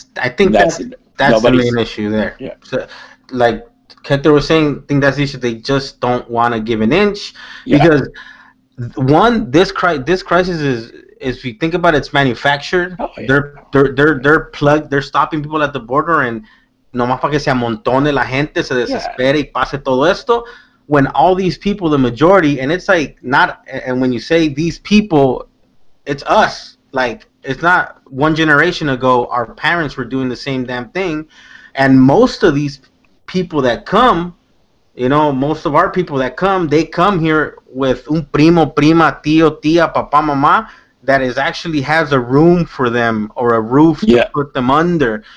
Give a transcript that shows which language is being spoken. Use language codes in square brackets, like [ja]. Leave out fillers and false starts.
[en] I think that's the main issue there. Yeah. So, like Kenter was saying, I think that's the issue. They just don't want to give an inch because this crisis is, if you think about it, it's manufactured. Oh, yeah. They're stopping people at the border, and [es] nomás para que se amontone la gente, se desespere y pase todo esto. [en] When all these people, the majority, and it's like not, and when you say these people, it's us. Like, it's not one generation ago, our parents were doing the same damn thing. And most of these people that come, you know, most of our people that come, they come here with [es] un primo, prima, tío, tía, papá, mamá, [en] that is actually has a room for them or a roof to put them under.